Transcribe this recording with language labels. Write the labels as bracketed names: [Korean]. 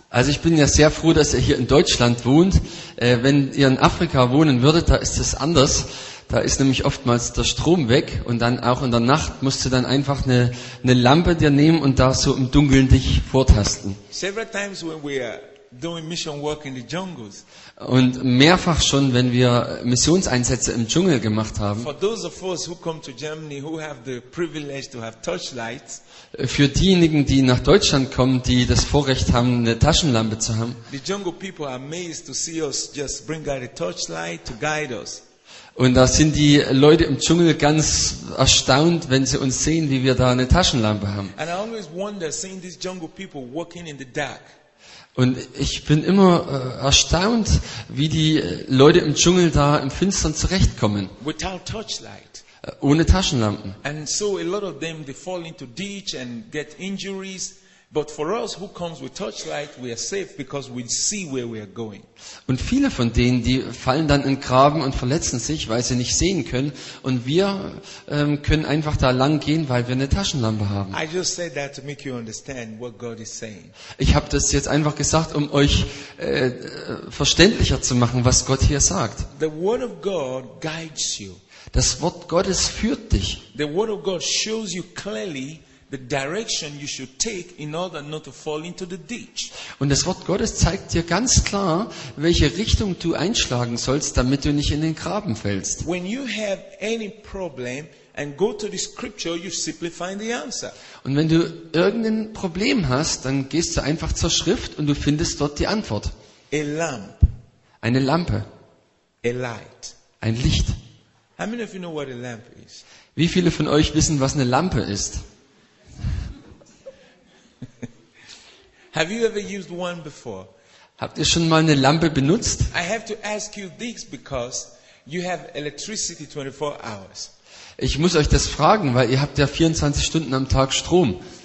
[German] Also ich bin ja sehr froh, dass ihr hier in Deutschland wohnt. Wenn ihr in Afrika wohnen würdet, da ist es anders. Da ist nämlich oftmals der Strom weg und dann auch in der Nacht musst du dann einfach eine Lampe dir nehmen und da so im Dunkeln dich vortasten. [English] Several times when we are doing mission work in the jungles. [German] Und mehrfach schon, wenn wir Missionseinsätze im Dschungel gemacht haben. [English] For those of us who come to Germany who have the privilege to have torchlights. [German] Für diejenigen, die nach Deutschland kommen, die das Vorrecht haben, eine Taschenlampe zu haben. [English] The jungle people are amazed to see us just bring out a torchlight to guide us. [German] Und da sind die Leute im Dschungel ganz erstaunt, wenn sie uns sehen, wie wir da eine Taschenlampe haben. [English] And I always wonder seeing these jungle people walking in the dark. [German] Und ich bin immer erstaunt, wie die Leute im Dschungel da im Finstern zurechtkommen. [English] Without torchlight. [German] Ohne Taschenlampen. [English] And so a lot of them they fall into ditch and get injuries. But for us who comes with torchlight, we are safe because we see where we are going. [German] Und viele von denen, die fallen dann in Graben und verletzen sich, weil sie nicht sehen können. Und wir können einfach da lang gehen, weil wir eine Taschenlampe haben. [English] I just said that to make you understand what God is saying. [German] Ich habe das jetzt einfach gesagt, um euch verständlicher zu machen, was Gott hier sagt. [English] The word of God guides you. [German] Das Wort Gottes führt dich. [English] The word of God shows you clearly the direction you should take in order not to fall into the ditch. [German] Und das Wort Gottes zeigt dir ganz klar, welche Richtung du einschlagen sollst, damit du nicht in den Graben fällst. [English] When you have any problem and go to the scripture, you simply find the answer. [German] Und wenn du irgendein Problem hast, dann gehst du einfach zur Schrift und du findest dort die Antwort. [English] A lamp. [German] Eine Lampe. [English] A light. [German] Ein Licht. [English] How many of you know what a lamp is? [German] Wie viele von euch wissen, was eine Lampe ist? [English] Have you ever used one before? [German] Habt ihr schon mal eine Lampe benutzt? [English] I have to ask you this because you have electricity 24 hours. [German] Ich muss euch das fragen, weil ihr habt ja 24 Stunden am Tag Strom.